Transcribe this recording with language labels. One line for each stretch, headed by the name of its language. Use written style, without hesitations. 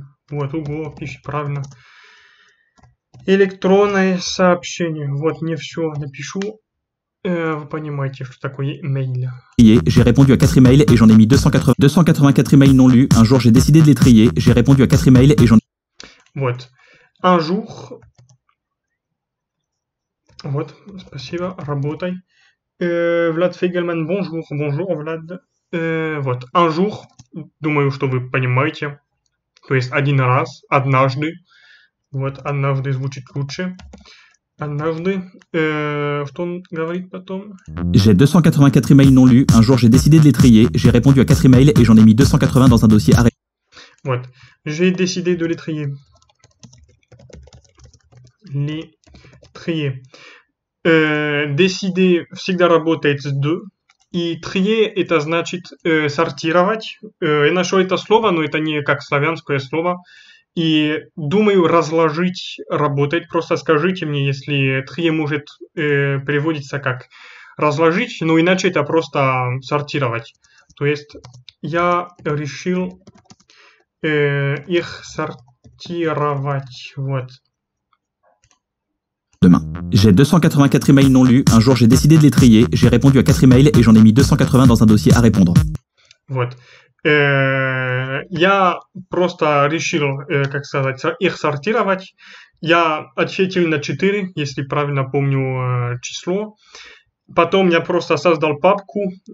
Russian: Вот, ого, пишет правильно. Электронное сообщение. Вот, не все напишу. Вы понимаете, что такое email.
French: J'ai répondu à 4 emails et j'en ai mis 284 emails non lus. Un jour, j'ai décidé de les trier. J'ai répondu à 4 emails et j'en ai. Вот. Un jour.
Russian: Вот, спасибо, работай. Vlad Fegelman, bonjour. Бonjour, Vlad. Вот,
French: un jour,
Russian: думаю, что вы понимаете. То есть один раз, однажды. Вот, однажды звучит лучше. Однажды. Что он говорит потом?
French: J'ai 284 emails non lus. Un jour, j'ai décidé de les trier. J'ai répondu à 4 emails et j'en ai mis 280 dans un dossier arrêté.
Russian: Вот,
French: j'ai décidé de les trier. Les trier.
Russian: Décider, всегда работает de. И трие это значит сортировать. Я нашел это слово, но это не как славянское слово. И думаю разложить работать. Просто скажите мне, если трие может приводиться как разложить, но иначе это просто сортировать. То есть я решил их сортировать. Вот.
French: demain. J'ai 284 emails non lus, un jour j'ai décidé de les trier, j'ai répondu à 4 emails et j'en ai mis 280 dans un dossier à répondre.
Russian: Вот. Я просто решил, как сказать, их сортировать. Я ответил на 4, если правильно помню число. Потом я просто создал папку.